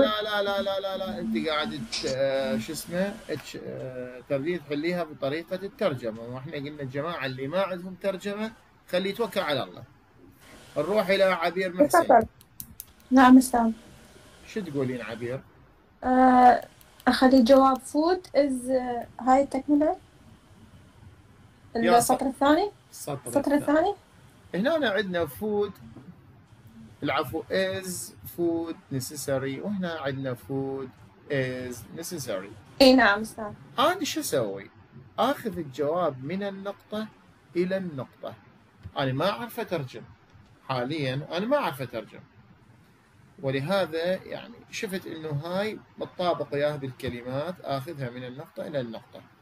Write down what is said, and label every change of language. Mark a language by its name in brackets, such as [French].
[Arabic] لا لا لا لا لا لا، انت قاعد شو اسمه تريد تحليها بطريقة الترجمة، واحنا قلنا الجماعة اللي ما عندهم ترجمة خليه يتوكل على الله. نروح الى عبير محسن. تفضل نعم أستاذ. شو تقولين عبير؟ أخلي جواب [English] food is [Arabic] هاي تكملة يا السطر الثاني. السطر السطر الثاني الثاني هنا عندنا food، العفو [English] is food necessary، [Arabic] وهنا عندنا [English] food is necessary. [Arabic] اي نعم أستاذ. أنا شو أسوي؟ آخذ الجواب من النقطة إلى النقطة. أنا ما أعرف أترجم حالياً، أنا ما أعرف أترجم، ولهذا يعني شفت إنه هاي متطابقة ياها بالكلمات، آخذها من النقطة إلى النقطة.